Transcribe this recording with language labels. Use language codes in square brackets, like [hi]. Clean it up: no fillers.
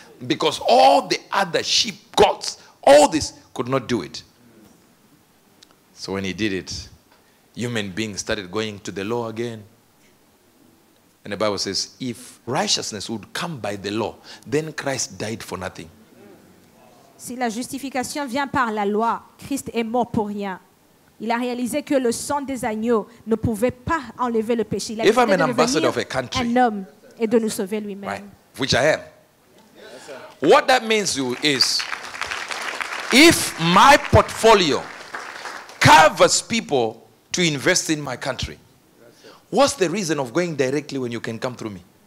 [en] Because all the other sheep, goats, all this could not do it. So when he did it, human beings started going to the law again. And the Bible says, if righteousness would come by the law, then Christ died for nothing. [fr] Si la justification vient par la loi, Christ est mort pour rien. Il a réalisé que le sang des agneaux ne pouvait pas enlever le péché. Il a [en] if I'm an ambassador of a country, [fr] un homme et de nous sauver lui-même. [en] Right, which I am. What that means you is, if my portfolio covers people to invest in my country, What's the reason of going directly when you can come through me?